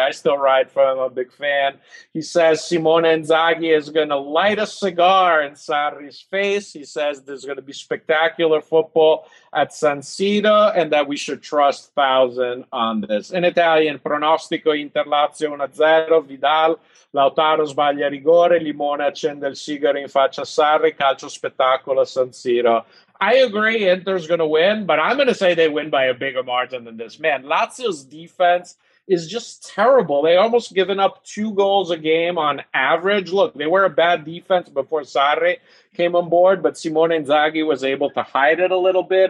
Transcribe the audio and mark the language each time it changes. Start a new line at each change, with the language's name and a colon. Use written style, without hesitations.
English: I still ride for him. I'm a big fan. He says Simone Inzaghi is going to light a cigar in Sarri's face. He says there's going to be spectacular football at San Siro and that we should trust 1,000 on this.
Italian: In Italian, pronostico Inter-Lazio 1-0, Vidal. Lautaro sbaglia rigore, Limone accende il sigaro in faccia Sarri, calcio spettacolo San Siro.
English: I agree Inter's going to win, but I'm going to say they win by a bigger margin than this. Man, Lazio's defense is just terrible. They almost given up 2 goals a game on average. Look, they were a bad defense before Sarri came on board, but Simone Inzaghi was able to hide it a little bit.